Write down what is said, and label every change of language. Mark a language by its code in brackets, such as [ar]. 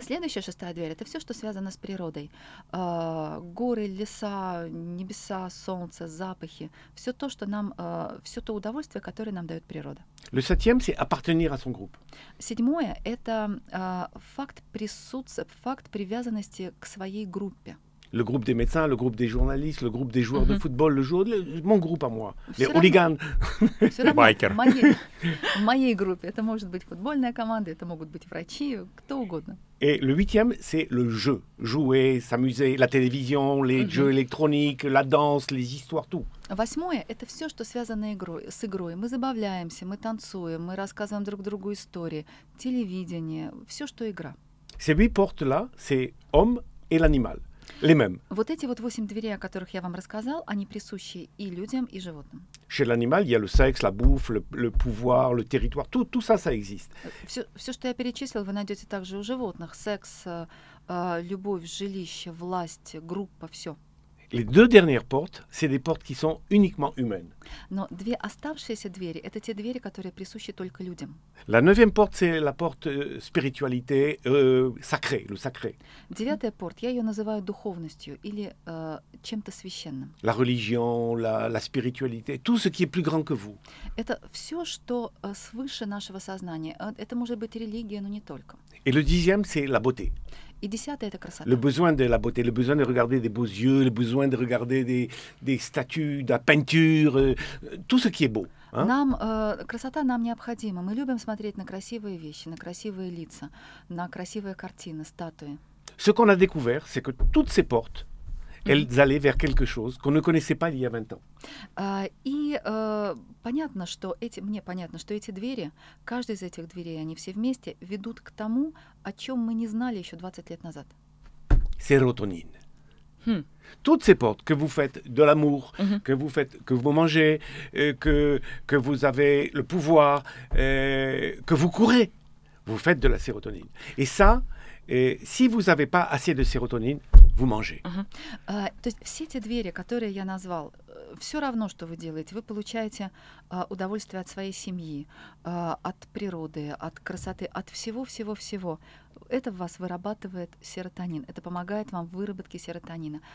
[ru] Следующая шестая дверь, это все, что связано с природой. Горы, леса, небеса, солнце, запахи, все то, что нам, все то удовольствие, которое нам дает природа. [fr] Le septième, c'est appartenir à son groupe. [ru] Седьмое, это факт присутствия, факт привязанности к своей группе. [fr] Le groupe des médecins, le groupe des journalistes, le groupe des joueurs de football, le joueur, mon groupe à moi, les hooligans, les bikers. [ru] В моей группе это может быть футбольная команда, это могут быть врачи, кто угодно. [fr] Et le huitième, c'est le jeu, jouer, s'amuser, la télévision, les jeux électroniques, la danse, les histoires, tout. [ru] Восьмое – это все, что связано с игрой. Мы забавляемся, мы танцуем, мы рассказываем друг другу истории, телевидение, все, что игра. [fr] Ces huit portes-là, c'est homme et l'animal. Les mêmes. [ru] Вот эти вот восемь дверей, о которых я вам рассказал, они присущи и людям, и животным. [fr] Chez l'animal, il y a le sexe, la bouffe, le pouvoir, le territoire. Tout ça, ça existe. [ru] Все, что я перечислил, вы найдете также у животных. Секс, любовь, жилище, власть, группа, все. [fr] Les deux dernières portes, c'est des portes qui sont uniquement humaines. [ru] Но две оставшиеся двери, это те двери, которые присущи только людям. [fr] La neuvième porte, c'est la porte spiritualité, sacrée, le sacré. [ru] Девятая порта, я ее называю духовностью или чем-то священным. [fr] La religion, la spiritualité, tout ce qui est plus grand que vous. [ru] Это все, что свыше нашего сознания. Это может быть религия, но не только. [fr] Et le dixième, c'est la beauté. [ru] И десятое – это красота. [fr] Le besoin de la beauté, le besoin de regarder des beaux yeux, le besoin de regarder des statues, de la peinture, tout ce qui est beau. Hein? [ru] Нам, красота нам необходима. Мы любим смотреть на красивые вещи, на красивые лица, на красивые картины, статуи. [fr] Ce qu'on a découvert, c'est que toutes ces portes, elles allaient vers quelque chose qu'on ne connaissait pas il y a 20 ans. [ru] Понятно, что эти, мне понятно, что эти двери, каждая из этих дверей, они все вместе ведут к тому, о чем мы не знали еще 20 лет назад. Серотонин. [fr] Toutes ces portes que vous faites de l'amour, que vous faites, que vous mangez, que vous avez le pouvoir, que vous courez, vous faites de la sérotonine. Et ça, si vous n'avez pas assez de sérotonine, vous mangez. [ru] То есть все эти двери, которые я назвал, все равно, что вы делаете, вы получаете удовольствие от своей семьи, от природы, от красоты, от всего-всего-всего. Это в вас вырабатывает серотонин, это помогает вам в выработке серотонина.